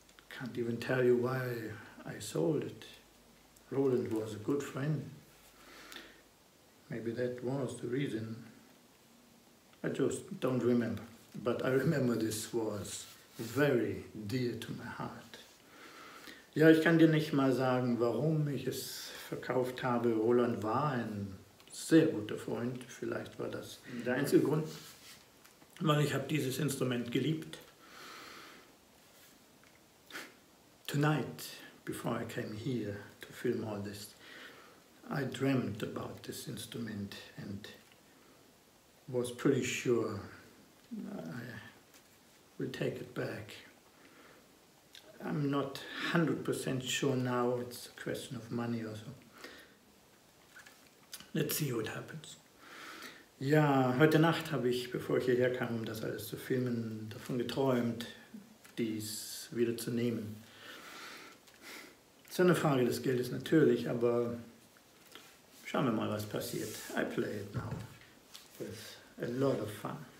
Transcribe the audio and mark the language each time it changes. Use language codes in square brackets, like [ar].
[en] Can't even tell you why I sold it. Roland was a good friend. Maybe that was the reason. I just don't remember. But I remember this was very dear to my heart. [de] Ja, ich kann dir nicht mal sagen, warum ich es verkauft habe. Roland war ein sehr guter Freund. Vielleicht war das der einzige Grund. Weil ich habe dieses Instrument geliebt. [en] Tonight, before I came here to film all this, I dreamt about this instrument and was pretty sure I will take it back. I'm not 100% sure now, it's a question of money or so. Let's see what happens. [de] Ja, heute Nacht habe ich, bevor ich hierher kam, um das alles zu filmen, davon geträumt, dies wieder zu nehmen. Es ist eine Frage des Geldes natürlich, aber schauen wir mal, was passiert. [en] I play it now with a lot of fun.